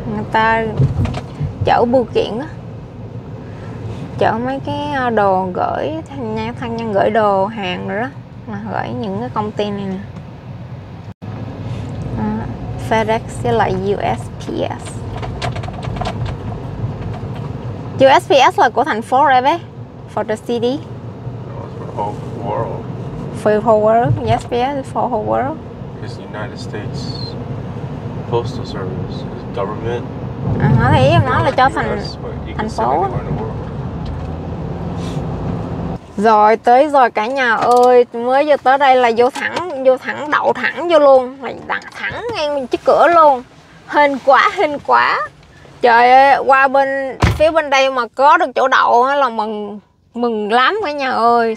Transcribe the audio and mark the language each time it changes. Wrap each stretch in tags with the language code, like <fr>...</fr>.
<vi>Người ta chở bưu kiện á. Chở mấy cái đồ gửi, thân nhân gửi đồ hàng rồi đó. Mà gửi những cái công ty này nè. FedEx với lại USPS. USPS là của thành phố rồi bé.</vi> <en>For the city. For the whole world. For the whole world, USPS is for the whole world. It's the United States Postal Service, it's government.</en> <vi>Nó thấy em nói là cho thành thành phố. Rồi tới rồi cả nhà ơi, mới vừa tới đây là vô thẳng đậu thẳng vô luôn, mình đặt thẳng ngay mình chiếc cửa luôn. Hên quá. Trời ơi, qua bên phía bên đây mà có được chỗ đậu là mừng lắm cả nhà ơi.</vi>